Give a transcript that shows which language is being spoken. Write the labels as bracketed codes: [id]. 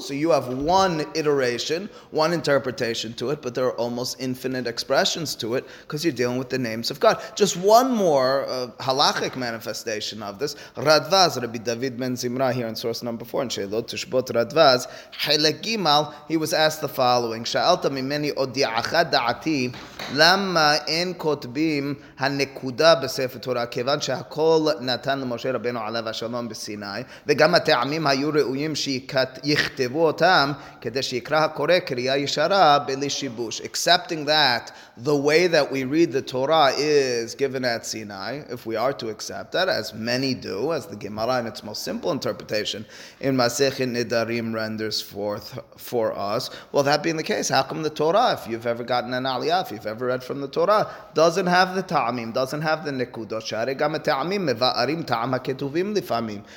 [en] So you have one iteration, one interpretation to it, but there are almost infinite expressions to it because you're dealing with the names of God. Just one more halachic manifestation of this. Radvaz, Rabbi David Ben Zimra, here in source number 4, in Sheilot Tishbot Radvaz, Chelek Gimal, he was asked the following. [he] Sha'alta mimeni odi'acha da'ati. למה אין כותבים הנקודה בספר תורה כיוון שהכל נתן למשה רבנו עליו השלום בסיני וגם הטעמים היו ראויים שיכתבו אותם כדי שיקרא הקורא קריאה ישרה בלי שיבוש. [en] Accepting that the way that we read the Torah is given at Sinai, if we are to accept that, as many do, as the Gemara in its most simple interpretation in Masechet Nedarim renders forth for us, well, that being the case, how come the Torah, if you've ever gotten an aliyah, if you've ever read from the Torah, doesn't have the ta'amim, doesn't have the nekudot, [he] share gam ta'amim, meva'arim ta'am ha-ketuvim lifamim.